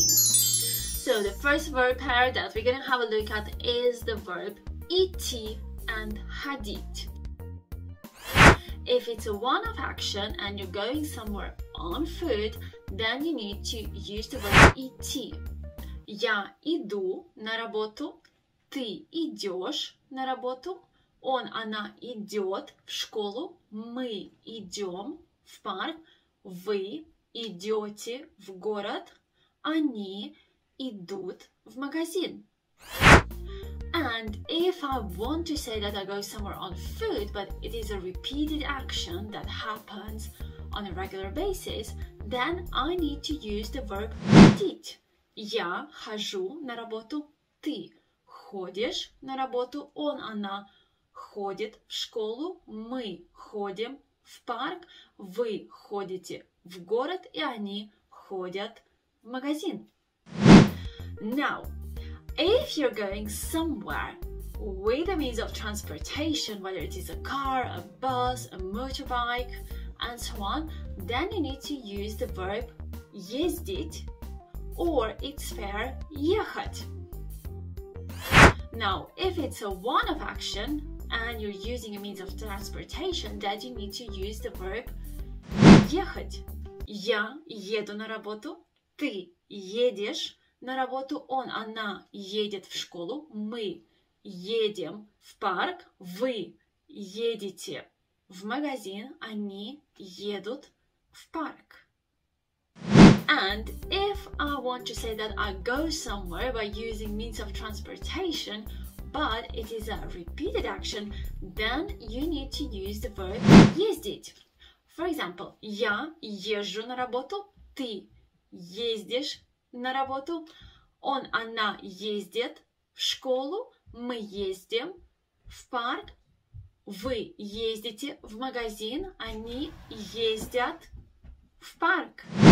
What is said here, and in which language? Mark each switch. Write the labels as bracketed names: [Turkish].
[English] So the first verb pair that we're gonna have a look at is the verb идти and ходить. If it's a one-off action and you're going somewhere on foot, then you need to use the verb идти. [Russian] Я иду на работу, ты идешь на работу, он, она идет в школу, мы идем в парк, вы идете в город, они идут в магазин. [English] And if I want to say that I go somewhere on foot, but it is a repeated action that happens on a regular basis, then I need to use the verb ходить. [Russian] Я хожу на работу, ты ходишь на работу, он, она ходит в школу, мы ходим в парк, вы ходите в город, и они ходят в магазин. [English] Now, if you're going somewhere with a means of transportation, whether it is a car, a bus, a motorbike, and so on, then you need to use the verb ездить, or its pair ехать. Now, if it's a one-off action and you're using a means of transportation, then you need to use the verb ехать. [Russian] Я еду на работу, ты едешь на работу, он, она едет в школу, мы едем в парк, вы едете в магазин, они едут в парк. [English] And if I want to say that I go somewhere by using means of transportation, but it is a repeated action, then you need to use the verb ездить. For example, [Russian] я езжу на работу, ты ездишь на работу, он, она ездит в школу, мы ездим в парк, вы ездите в магазин, они ездят в парк.